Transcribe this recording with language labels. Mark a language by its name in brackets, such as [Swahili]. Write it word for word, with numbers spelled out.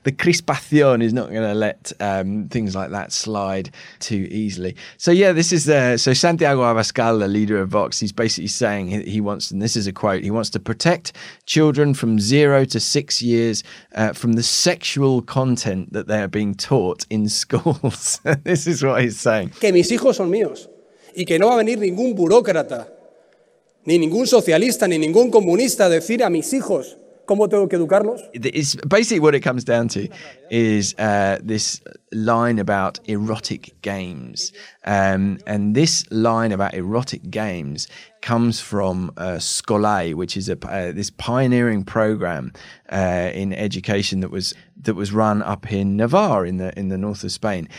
[English] The crispación is not going to let um, things like that slide too easily. So yeah, this is uh, so Santiago Abascal, the leader of Vox, he's basically saying he, he wants, and this is a quote, he wants to protect children from zero to six years uh, from the sexual content that they are being taught in schools. This is what he's saying. [Spanish] Que mis hijos son míos y que no va a venir ningún burócrata, ni ningún socialista, ni ningún comunista a decir a mis hijos cómo tengo que educarlos. [English] It's basically what it comes down to is uh, this line about erotic games. Um, and this line about erotic games comes from uh, Scolai, which is a, uh, this pioneering program uh, in education that was that was run up in Navarre in the in the north of Spain.